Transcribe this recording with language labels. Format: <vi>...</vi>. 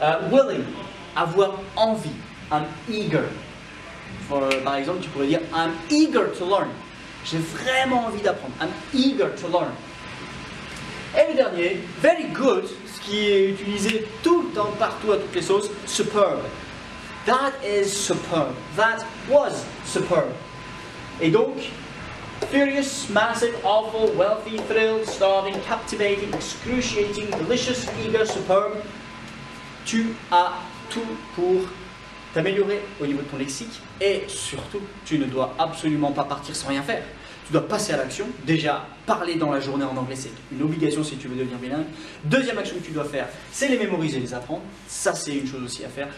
<en>Willing.</en> <fr>Avoir envie.</fr> <en>I'm eager.</en> <fr>Par exemple, tu pourrais dire</fr> <en>I'm eager to learn.</en> <fr>J'ai vraiment envie d'apprendre.</fr> <en>I'm eager to learn.</en> <fr>Et le dernier,</fr> <en>very good,</en> <fr>ce qui est utilisé tout le temps, partout, à toutes les sauces, superb.</fr> <en>That is superb. That was superb.</en> <fr>Et donc,</fr> <en>furious, massive, awful, wealthy, thrilled, starving, captivating, excruciating, delicious, eager, superb.</en> <fr>Tu as tout pour t'améliorer au niveau de ton lexique et surtout, tu ne dois absolument pas partir sans rien faire. Tu dois passer à l'action. Déjà, parler dans la journée en anglais, c'est une obligation si tu veux devenir bilingue. Deuxième action que tu dois faire, c'est les mémoriser, les apprendre. Ça, c'est une chose aussi à faire.</fr>